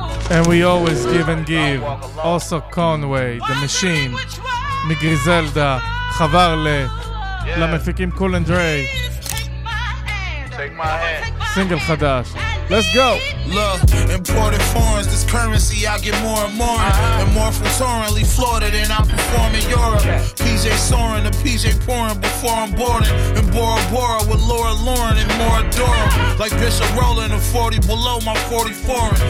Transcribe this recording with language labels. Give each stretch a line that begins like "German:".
English: And we always give and give. Also Conway, the machine.
Hebrew: מגריזלדה, חברלה, למפיקים קול אנד דרי.
English: Take my hand. Single
Hebrew: חדש.
English: Let's go. Look, imported foreigns, this currency I get more and more. And more from torrently Florida than I perform in Europe. PJ soaring, the PJ pouring before I'm boarding. And Bora Bora with Laura Lauren and more adorable. Like Bishop Rowland, a 40 below my 44.